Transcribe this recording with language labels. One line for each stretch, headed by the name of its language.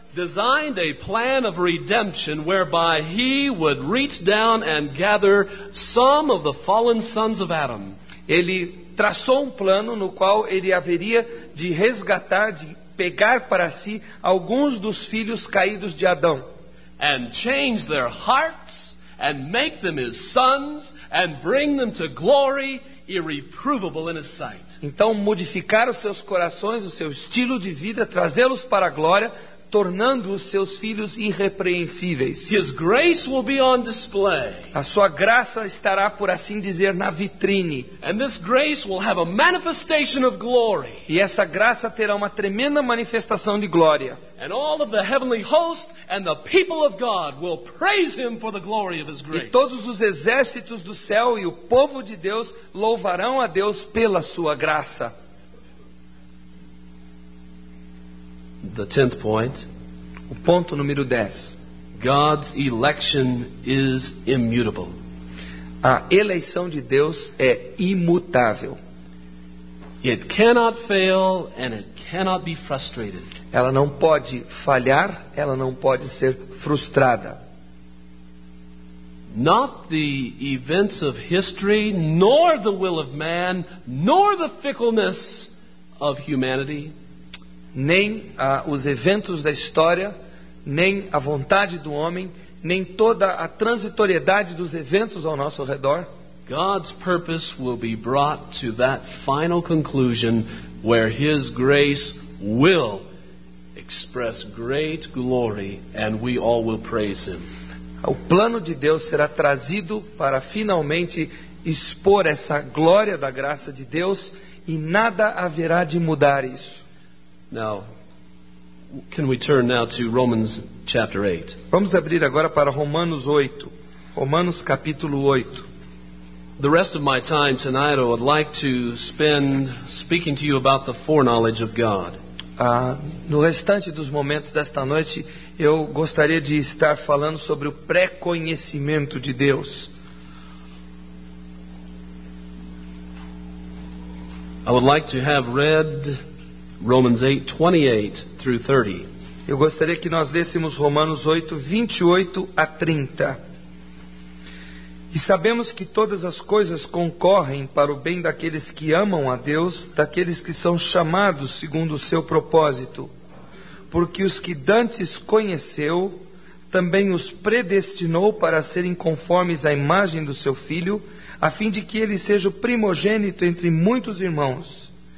English: Designed a plan of redemption whereby he would reach down and gather some of the fallen sons of Adam.
Portuguese: Ele traçou um plano no qual ele haveria de resgatar, de pegar para si alguns dos filhos caídos de Adão.
English: And change their hearts and make them his sons and bring them to glory irreprovable in his sight.
Portuguese: Então modificar os seus corações, o seu estilo de vida, trazê-los para a glória, tornando os seus filhos irrepreensíveis.
English: His grace will be on display.
Portuguese: A sua graça estará, por assim dizer, na vitrine.
English: And this grace will have a manifestation of glory.
Portuguese: E essa graça terá uma tremenda manifestação de glória.
English: And all of the heavenly host and the people of God will praise him for the glory of his grace.
Portuguese: E todos os exércitos do céu e o povo de Deus louvarão a Deus pela sua graça.
English: The tenth point.
Portuguese: O ponto número 10.
English: God's election is immutable.
Portuguese: A eleição de Deus é imutável.
English: It cannot fail and it cannot be frustrated.
Portuguese: Ela não pode falhar, ela não pode ser frustrada.
English: Not the events of history, nor the will of man, nor the fickleness of humanity,
Portuguese: nem os eventos da história, nem a vontade do homem, nem toda a transitoriedade dos eventos ao nosso redor.
English: God's purpose will be brought to that final conclusion where His grace will express great glory and we all will praise Him.
Portuguese: O plano de Deus será trazido para finalmente expor essa glória da graça de Deus e nada haverá de mudar isso.
English: Now, can we turn now to Romans chapter 8?
Portuguese: Vamos abrir agora para Romanos 8. Romanos capítulo 8.
English: The rest of my time tonight I would like to spend speaking to you about the foreknowledge of God.
Portuguese: No restante dos momentos desta noite, eu gostaria de estar falando sobre o pré-conhecimento de Deus.
English: I would like to have read Romans 8, 28 through 30.
Portuguese: Eu gostaria que nós lêssemos Romanos 8, 28 a 30. E sabemos que todas as coisas concorrem para o bem daqueles que amam a Deus, daqueles que são chamados segundo o seu propósito. Porque os que dantes conheceu, também os predestinou para serem conformes à imagem do seu Filho, a fim de que ele seja o primogênito entre muitos irmãos.